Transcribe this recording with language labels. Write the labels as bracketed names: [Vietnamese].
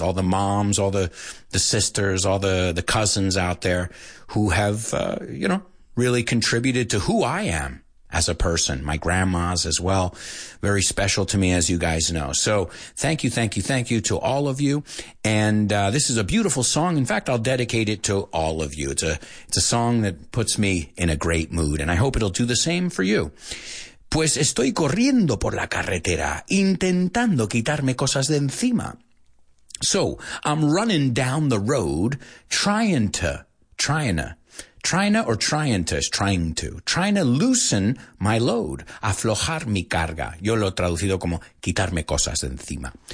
[English] All the moms, all the sisters, all the cousins out there who have, you know, really contributed to who I am as a person. My grandmas as well, very special to me, as you guys know. So thank you, thank you, thank you to all of you. And this is a beautiful song. In fact, I'll dedicate it to all of you. It's a song that puts me in a great mood, and I hope it'll do the same for you. [Spanish] Pues estoy corriendo por la carretera, intentando quitarme cosas de encima. [English] So I'm running down the road trying to loosen my load. [Spanish] Aflojar mi carga. Yo lo he traducido como quitarme cosas de encima.